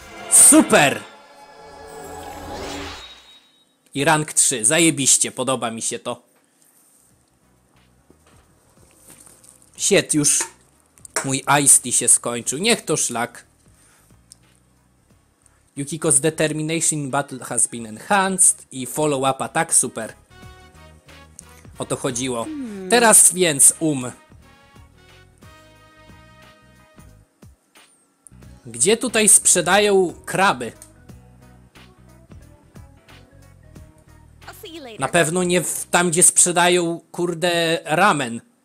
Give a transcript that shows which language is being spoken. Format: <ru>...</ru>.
<pl>Super!</pl> <en>I rank 3.</en> <pl>Zajebiście, podoba mi się to. Shit, już mój iced tea się skończył. Niech to szlak.</pl> <en>Yukiko's determination battle has been enhanced. I follow up attack, super.</en> <pl>O to chodziło. Teraz więc Gdzie tutaj sprzedają kraby? Na pewno nie tam, gdzie sprzedają, kurde, ramen.</pl>